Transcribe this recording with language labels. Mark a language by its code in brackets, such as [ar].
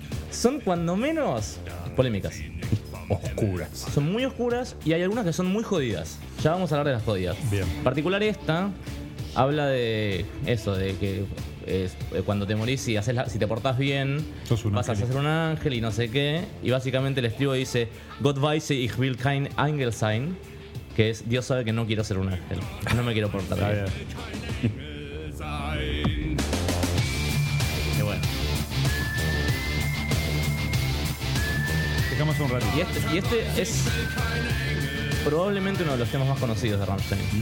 [es] Son cuando menos polémicas. Oscuras. Son muy oscuras y hay algunas que son muy jodidas. Ya vamos a hablar de las jodidas. Bien. En particular esta habla de eso, de que... cuando te morís y si te portás bien, vas a ser un ángel y no sé qué. Y básicamente el estribo dice: [de] Gott weiß, ich will kein Engel sein. [es] Que es: Dios sabe que no quiero ser un ángel. No me quiero portar bien. Qué bueno. Dejamos un ratito. Y este es probablemente uno de los temas más conocidos de Rammstein.